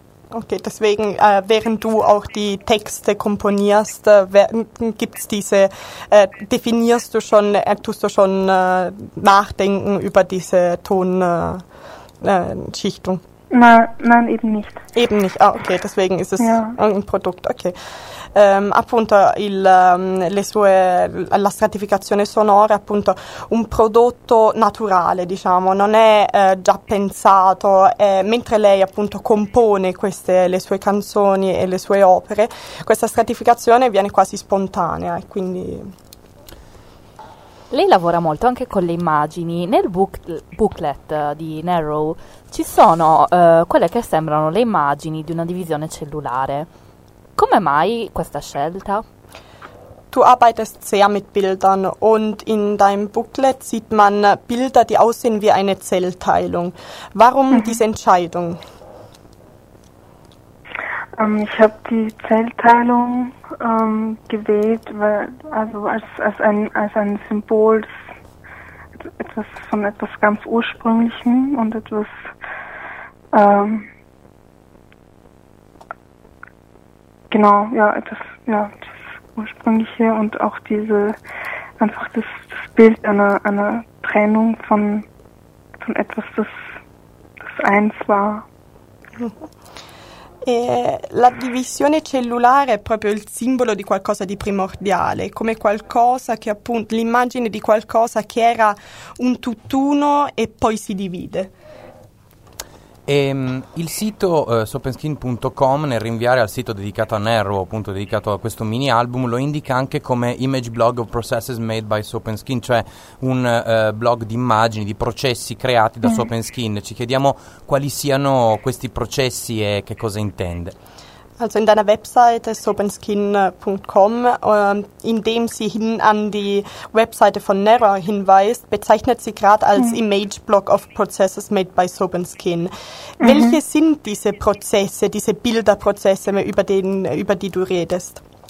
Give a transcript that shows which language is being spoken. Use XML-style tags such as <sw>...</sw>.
<de>Okay, deswegen, während du auch die Texte komponierst, gibt's diese, definierst du schon, tust du schon nachdenken über diese Tonschichtung? Nein, eben nicht. Eben nicht, ah, okay, deswegen ist es ja ein Produkt, okay.</de> <it>Appunto il, le sue, la stratificazione sonora, appunto, un prodotto naturale, diciamo, non è già pensato, mentre lei appunto compone queste, le sue canzoni e le sue opere, questa stratificazione viene quasi spontanea e quindi... Lei lavora molto anche con le immagini. Nel booklet di Narrow ci sono quelle che sembrano le immagini di una divisione cellulare. Come mai questa scelta?</it> <de>Du arbeitest sehr mit Bildern und in deinem Booklet sieht man Bilder, die aussehen wie eine Zellteilung. Warum diese Entscheidung? Ich habe die Zellteilung gewählt, weil, also als ein Symbol, etwas von etwas ganz Ursprünglichem und etwas genau, ja, etwas, ja, das Ursprüngliche und auch diese, einfach das Bild einer Trennung von etwas, das eins war.</de> <it>E la divisione cellulare è proprio il simbolo di qualcosa di primordiale, come qualcosa che appunto, l'immagine di qualcosa che era un tutt'uno e poi si divide. E, il sito sopenskin.com, nel rinviare al sito dedicato a Narrow, appunto dedicato a questo mini album, lo indica anche come Image Blog of Processes Made by Sopenskin, cioè un blog di immagini, di processi creati da Sopenskin. Ci chiediamo quali siano questi processi e che cosa intende.</it> <de>Also in deiner Webseite sopenskin.com, indem sie hin an die Webseite von Narrow hinweist, bezeichnet sie gerade als Image Block of Processes Made by Sopenskin. Mhm. Welche sind diese Prozesse, diese Bilderprozesse, über die du redest?</de>